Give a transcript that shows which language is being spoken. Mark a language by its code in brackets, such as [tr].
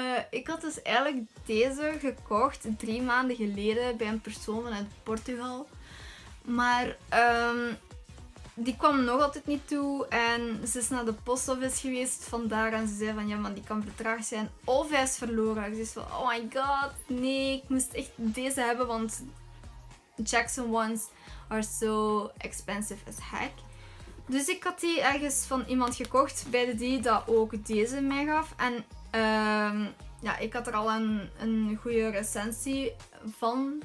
[nl] Ik had dus eigenlijk deze gekocht 3 maanden geleden bij een persoon vanuit Portugal. Maar die kwam nog altijd niet toe. En ze is naar de [en] post office [nl] geweest vandaag. En ze zei van ja man, die kan vertraagd zijn. Of hij is verloren. Ik zei van [en] oh my god, [nl] nee, ik moest echt deze hebben. [en] Want Jackson ones are so expensive as heck. [nl] Dus ik had die ergens van iemand gekocht. Bij de die dat ook deze mij gaf. En ja, ik had er al een goede recensie van.